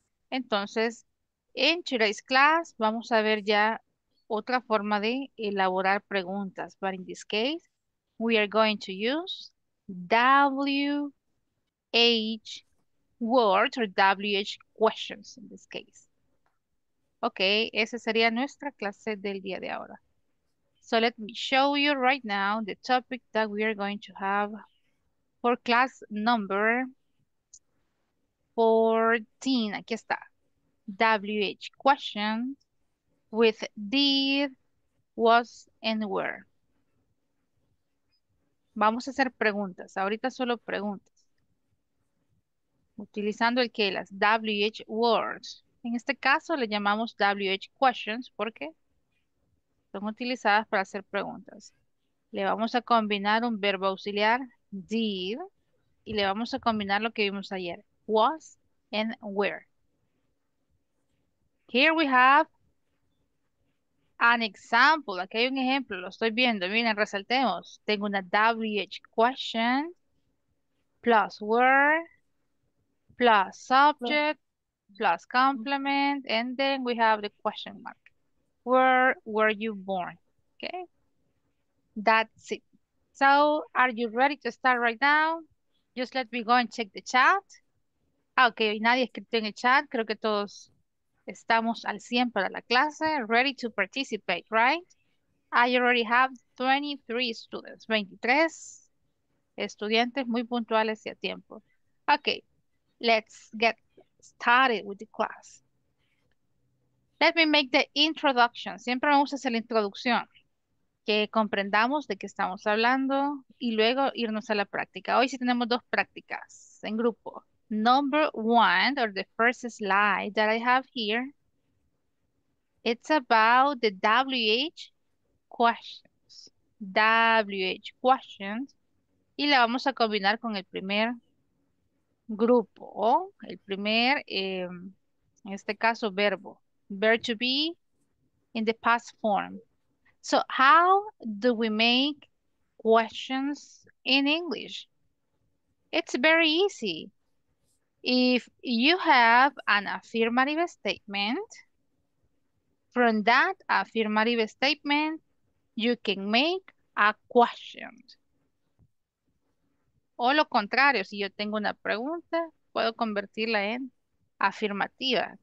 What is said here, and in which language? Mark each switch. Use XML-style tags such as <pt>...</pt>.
<es>Entonces,</es> <en>in today's class,</en> <es>vamos a ver ya otra forma de elaborar preguntas,</es> <en>but in this case, we are going to use WH words or WH questions in this case.</en> <es>Okay, esa sería nuestra clase del día de ahora.</es> <en>So let me show you right now the topic that we are going to have for class number 14.</en> <es>Aquí está.</es> <en>WH questions. With did, was, and were.</en> <es>Vamos a hacer preguntas. Ahorita solo preguntas. Utilizando el que las WH words. En este caso le llamamos WH questions porque son utilizadas para hacer preguntas. Le vamos a combinar un verbo auxiliar, did, y le vamos a combinar lo que vimos ayer, was and were.</es> <en>Here we have an example,</en> <es>aquí hay un ejemplo, lo estoy viendo, miren, resaltemos. Tengo una</es> <en>WH question, plus were, plus subject, plus complement, and then we have the question mark. Where were you born? Okay, that's it. So, are you ready to start right now? Just let me go and check the chat. Okay,</en> <es>nadie escribió en el chat, creo que todos Estamos al 100 para la clase,</es> <en>ready to participate, right? I already have 23 students,</en> <es>23 estudiantes muy puntuales y a tiempo.</es> <en>Okay, let's get started with the class. Let me make the introduction.</en> <es>Siempre vamos a hacer la introducción, que comprendamos de qué estamos hablando y luego irnos a la práctica. Hoy sí tenemos dos prácticas en grupo.</es> <en>Number one, or the first slide that I have here, it's about the WH questions. WH questions.</en> <es>Y la vamos a combinar con el primer grupo, o el primer, en este caso, verbo.</es> <en>Verb to be in the past form. So how do we make questions in English? It's very easy. If you have an affirmative statement, from that affirmative statement, you can make a question.</en> <es>O lo contrario, si yo tengo una pregunta, puedo convertirla en afirmativa.</es>